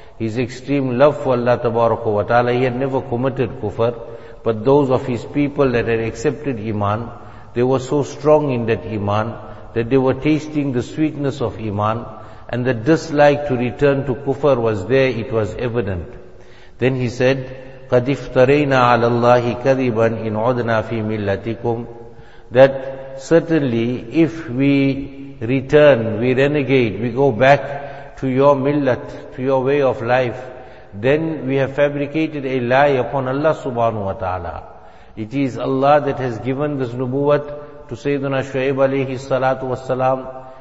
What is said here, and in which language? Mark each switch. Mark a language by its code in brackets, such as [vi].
[en] His extreme love for Allah tabaraka wa ta'ala, he had never committed kufr, but those of his people that had accepted iman, they were so strong in that iman that they were tasting the sweetness of iman, and the dislike to return to kufr was there, it was evident. [ar] Then he said, قَدْ افْتَرَيْنَا عَلَى اللَّهِ كَذِبًا إِنْ عُدْنَا فِي مِلَّتِكُمْ. [en] That certainly if we return, we renegade, we go back to your millat, to your way of life, then we have fabricated a lie upon Allah subhanahu wa ta'ala. It is Allah that has given this nubuwat to Sayyidina Shu'aib alayhi salatu wassalam.